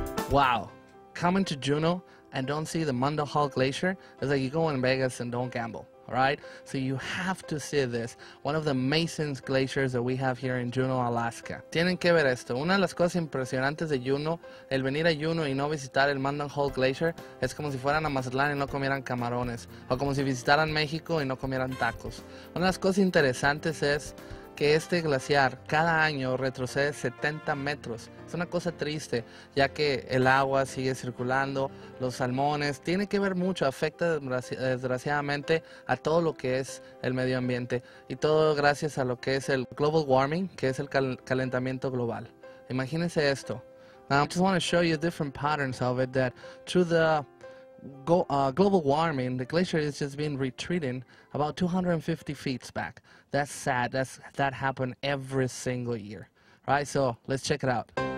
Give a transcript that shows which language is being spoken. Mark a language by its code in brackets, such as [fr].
[en] Wow. Coming to Juneau and don't see the Mendehall Glacier is like you go in Vegas and don't gamble. Right? So you have to see this. One of the Mason's glaciers that we have here in Juneau, Alaska. [es] Tienen que ver esto. Una de las cosas impresionantes de Juneau, el venir a Juneau y no visitar el Mendenhall Glacier, es como si fueran a Mazatlán y no comieran camarones. O como si visitaran México y no comieran tacos. Una de las cosas interesantes es que este glaciar cada año retrocede 70 metros. Es una cosa triste, ya que el agua sigue circulando, los salmones, tiene que ver mucho, afecta desgraciadamente a todo lo que es el medio ambiente y todo gracias a lo que es el global warming, que es el calentamiento global. Imagínense esto. [en] Now, I just want to show you different patterns of it that through the global warming, the glacier has just been retreating about 250 feet back. That's sad. That happened every single year. Right? So let's check it out.